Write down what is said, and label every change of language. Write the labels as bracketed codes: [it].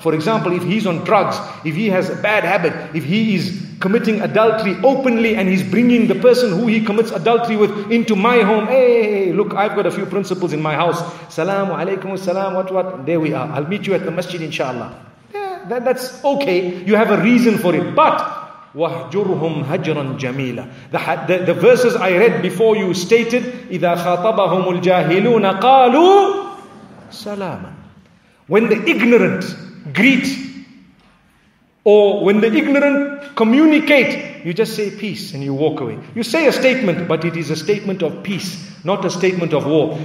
[en] For example, if he's on drugs, if he has a bad habit, if he is committing adultery openly and he's bringing the person who he commits adultery with into my home, hey, look, I've got a few principles in my house. Salaamu alaikum assalam, what? There we are. I'll meet you at the masjid inshallah. Yeah, that's okay. You have a reason for it. But [ar] وَهْجُرْهُمْ هَجْرًا جَمِيلًا. [en] The verses I read before you stated, [ar] إِذَا خَاطَبَهُمُ الْجَاهِلُونَ قَالُوا سَلَامًا. [en] When the ignorant greet, or when the ignorant communicate, you just say peace and you walk away. You say a statement, but it is a statement of peace, not a statement of war.